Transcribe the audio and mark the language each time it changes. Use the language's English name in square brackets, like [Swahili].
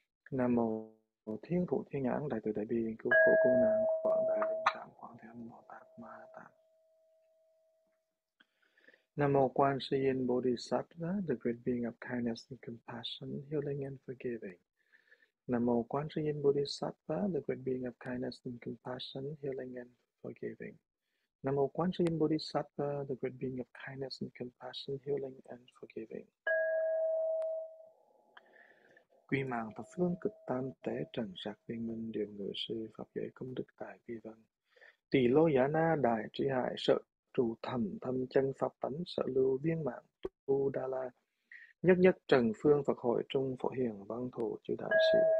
[Vietnamese] Nam mô Thiên Thủ Thiên Nhãn Đại Từ Đại Bi cứu khổ cứu nạn Quảng Đại Linh Cảm Quảng Thế Âm Bồ Tát Ma Ha Nam mô Quan Sư Yên Bồ Tát, [English] the great being of kindness and compassion, healing and forgiving. [Vietnamese] Nam mô Quan Sư Yên [English] Bodhisattva, the great being of kindness and compassion, healing and forgiving. [Vietnamese] Nam mô Quan Sư Yên [English] Bodhisattva, the great being of kindness and compassion, healing and forgiving. [Vietnamese] Quy mạng thập phương cực tam tế trần sắc viên minh điều ngự sư pháp giới công đức tài vi văn. Tỳ lô giả na đại trí hại sở trụ thầm thâm chân pháp tánh sở lưu viên mạng tu đa la. Nhất nhất trần phương Phật hội trung phổ hiền văn thù chư đại sĩ.